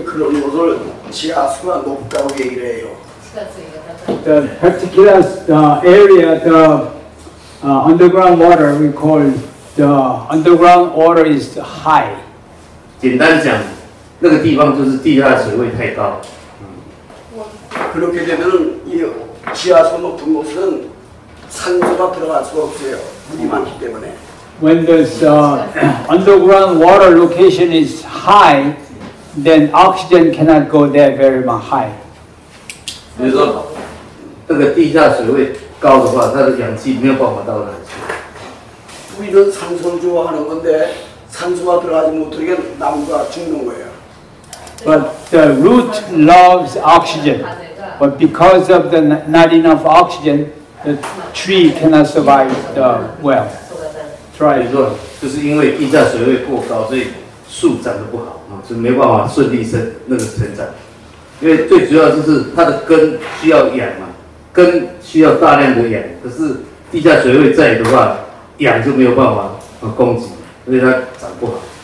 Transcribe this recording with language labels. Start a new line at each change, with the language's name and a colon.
English: particular area, the underground water, we call the underground water is high.
Chinese: 简单讲，那个地方就是地下水位太高。
Korean: 그렇게 되면 이 지하수 높은 곳은 산소가 들어갈 수가 없어요. 물이 많기 때문에.
English: When the underground water location is high, then oxygen cannot go there very much high.
Chinese: 比如说，这个地下水位高的话，它的氧气没有办法到哪里去。
Korean: 물이는산소중화하는건데산소가들어가지못하면나무가죽는거예요
English: But the root loves oxygen. But because of the not enough oxygen, the tree cannot survive the well.
Chinese: 比如说，就是因为地下水位过高，所以树长得不好啊，就没办法顺利生那个成长。因为最主要就是它的根需要氧嘛，根需要大量的氧，可是地下水位在的话，氧就没有办法供给，所以它长不好。